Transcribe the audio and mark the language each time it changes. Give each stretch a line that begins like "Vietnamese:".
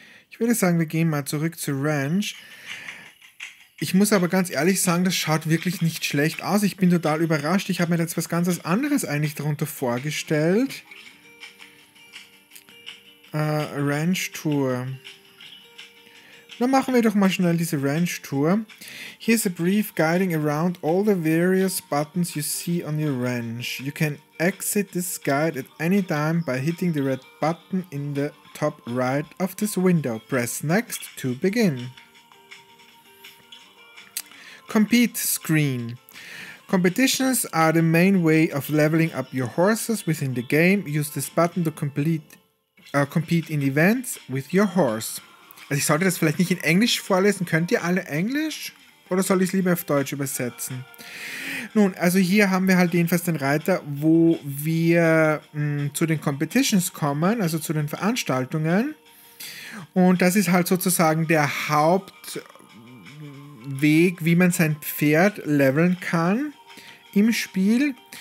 German: Ich würde sagen, wir gehen mal zurück zu Ranch. Ich muss aber ganz ehrlich sagen, das schaut wirklich nicht schlecht aus. Ich bin total überrascht. Ich habe mir jetzt was ganz anderes eigentlich darunter vorgestellt. Ranch Tour. Dann machen wir doch mal schnell diese Ranch Tour.
English: Here's a brief guiding around all the various buttons you see on your ranch. You can exit this guide at any time by hitting the red button in the top right of this window. Press next to begin. Compete screen. Competitions are the main way of leveling up your horses within the game. Use this button to compete in events with your horse.
German: Also ich sollte das vielleicht nicht in Englisch vorlesen. Könnt ihr alle Englisch? Oder soll ich es lieber auf Deutsch übersetzen? Nun, also hier haben wir halt jedenfalls den Reiter, wo wir zu den Competitions kommen, also zu den Veranstaltungen. Und das ist halt sozusagen der Hauptweg, wie man sein Pferd leveln kann im Spiel.